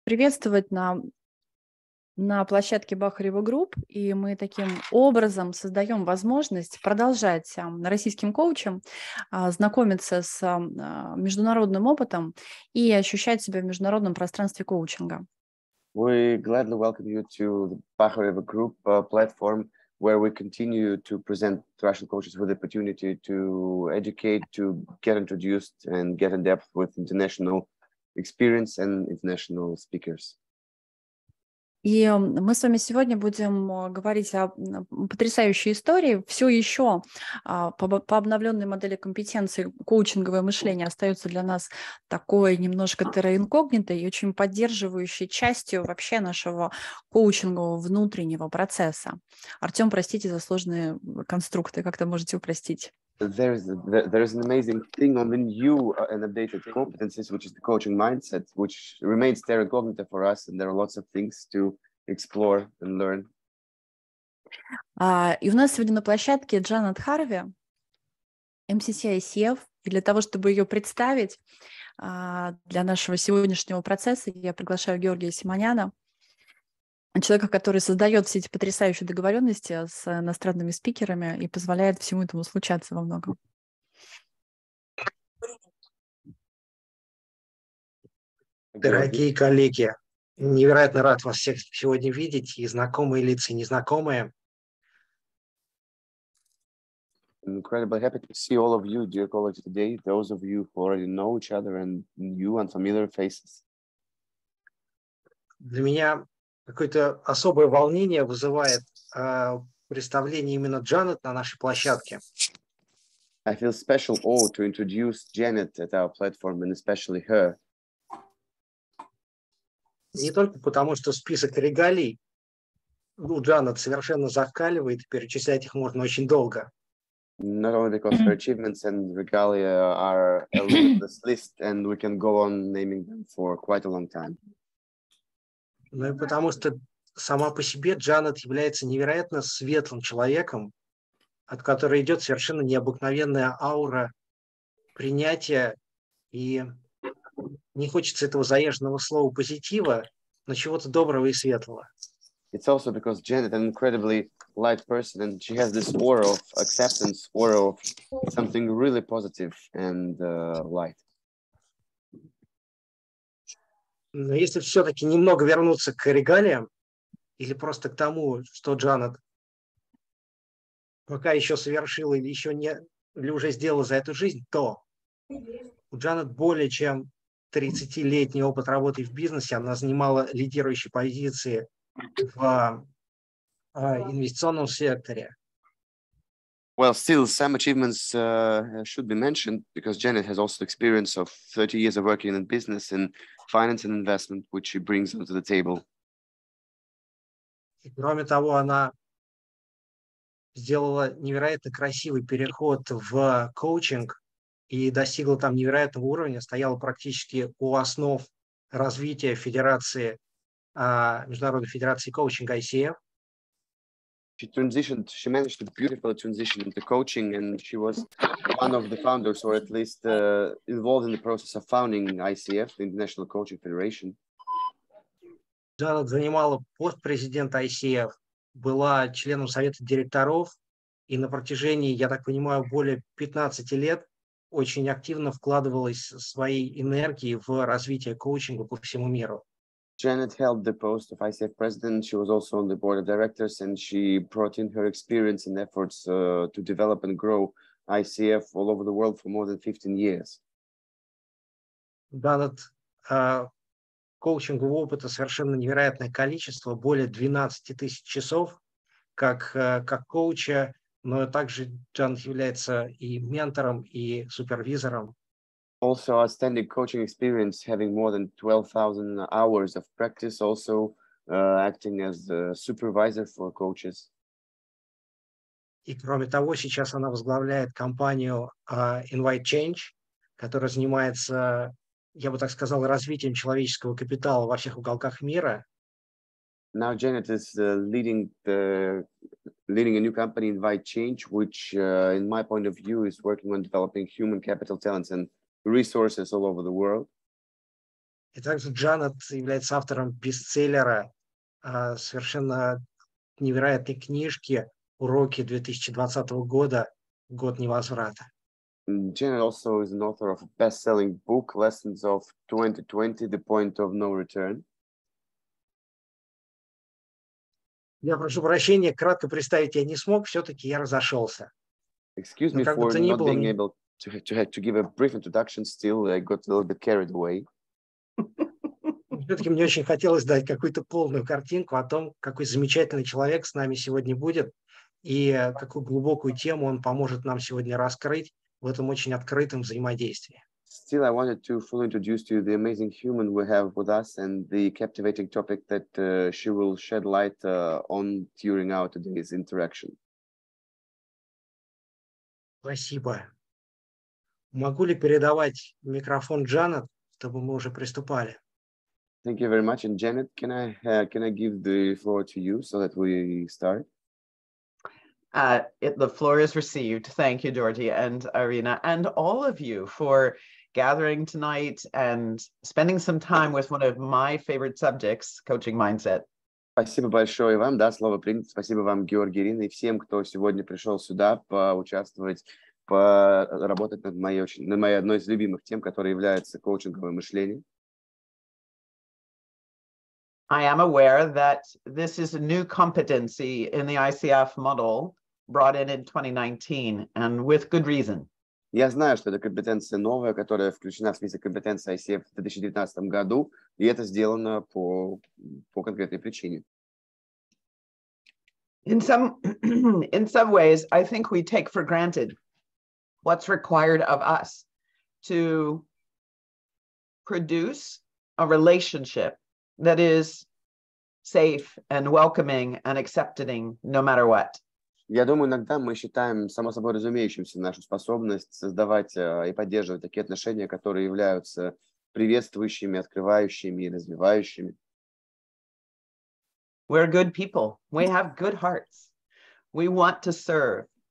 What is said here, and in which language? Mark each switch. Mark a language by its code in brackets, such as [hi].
[ru] приветствовать на площадке Бахарева Групп, и мы таким образом создаем возможность продолжать российским коучам знакомиться с международным опытом и ощущать себя в международном пространстве коучинга. [en] We gladly welcome you to the Bahareva Group platform, where we continue to present Russian coaches with the opportunity to educate, to get introduced and get in depth with international experience and international speakers. [ru] И мы с вами сегодня будем говорить о потрясающей истории. Все еще по обновленной модели компетенции коучинговое мышление остается для нас такой немножко терроинкогнитой и очень поддерживающей частью вообще нашего коучингового внутреннего процесса. Артем, простите за сложные конструкты, как-то можете упростить. [en] There is an amazing thing on the new and updated competencies, which is the coaching mindset, which remains terra-cognitive for us, and there are lots of things to explore and learn. [ru] И у нас сегодня на площадке Джанет Харви, MCC ICF, и для того, чтобы ее представить для нашего сегодняшнего процесса, я приглашаю Георгия Симоняна, человека, который создает все эти потрясающие договоренности с иностранными спикерами и позволяет всему этому случаться во многом. Дорогие коллеги, невероятно рад вас всех сегодня видеть, и знакомые лица, и незнакомые. [en] Incredibly happy to see all of you, dear colleagues, today, those of you who already know each other and new and familiar faces. [ru] Для меня какое-то особое волнение вызывает представление именно Джанет на нашей площадке. [en] I feel special awe to introduce Janet at our platform, and especially her. [ru] Не только потому, что список регалий у Джанет совершенно закаливает, перечислять их можно очень долго. [en] Not only because her achievements and regalia are a limitless list, and we can go on naming them for quite a long time. [ru] Ну и потому что сама по себе Джанет является невероятно светлым человеком, от которой идет совершенно необыкновенная аура принятия, и не хочется этого заезженного слова позитива, но чего-то доброго и светлого. [en] It's also because Janet an incredibly light person, and she has this aura of acceptance, aura of something really positive and light. [ru] Но если все-таки немного вернуться к регалиям или просто к тому, что Джанет пока еще совершила или еще не, или уже сделала за эту жизнь, то у Джанет более чем 30-летний опыт работы в бизнесе. Она занимала лидирующие позиции в инвестиционном секторе. [en] Well, still, some achievements should be mentioned, because Janet has also experience of 30 years of working in business and finance and investment, which she brings onto the table. [ru] И, кроме того, она сделала невероятно красивый переход в коучинг и достигла там невероятного уровня, стояла практически у основ развития федерации, Международной федерации коучинга ICF. [en] She transitioned, she managed a beautiful transition into coaching, and she was one of the founders, or at least involved in the process of founding ICF, the International Coaching Federation. [ru] Джанет занимала пост президента ICF, была членом совета директоров, и на протяжении, я так понимаю, более 15 лет очень активно вкладывалась своей энергией в развитие коучинга по всему миру. [en] Janet held the post of ICF president. She was also on the board of directors, and she brought in her experience and efforts to develop and grow ICF all over the world for more than 15 years. [ru] Джанет коучингового опыта совершенно невероятное количество, более 12 тысяч часов как коуча, но также Джанет является и ментором, и супервизором. [en] Also outstanding coaching experience, having more than 12,000 hours of practice, also acting as a supervisor for coaches. [ru] И кроме того, сейчас она возглавляет компанию Invite Change, которая занимается, я бы так сказал, развитием человеческого капитала во всех уголках мира. [en] Now Janet is leading a new company, Invite Change, which in my point of view is working on developing human capital talents and resources all over the world. [ru] И также Джанет является автором бестселлера совершенно невероятной книжки «Уроки 2020 года. Год невозврата». [en] Джанет also is an author of a best-selling book «Lessons of 2020. The Point of No Return». [ru] Я прошу прощения, кратко представить я не смог, все-таки я разошелся. [en] Excuse me for not being able to give a brief introduction, still I got a little bit carried away. [ru] Все-таки мне очень хотелось дать какую-то полную картинку о том, какой замечательный человек с нами сегодня будет и какую глубокую тему он поможет нам сегодня раскрыть в этом очень открытом взаимодействии. [en] Still, I wanted to fully introduce to you the amazing human we have with us and the captivating topic that she will shed light on during our today's interaction. [ru] Спасибо. Могу ли передавать микрофон Джанет, чтобы мы уже приступали? [en] Thank you very much. And Janet, can I give the floor to you so that we start? The floor is received. Thank you, Georgie and Arina, and all of you for gathering tonight and spending some time with one of my favorite subjects, coaching mindset. [ru] Спасибо большое вам. Да, слово принято. Спасибо вам, Георгий, Ирина, и всем, кто сегодня пришел сюда поучаствовать, поработать над моей одной из любимых тем, которая является коучинговое мышление. [en] I am aware that this is a new competency in the ICF model brought in 2019, and with good reason. [ru] Я знаю, что это компетенция новая, которая включена в список компетенций ICF в 2019 году, и это сделано по конкретной причине. [en] In some ways, I think we take for granted what's required of us to produce a relationship that is safe and welcoming and accepting no matter what. [ru] Я думаю, иногда мы считаем само собой разумеющимся нашу способность создавать и поддерживать такие отношения, которые являются приветствующими, открывающими и развивающими. [en] We're good people. We have good hearts. We want to serve.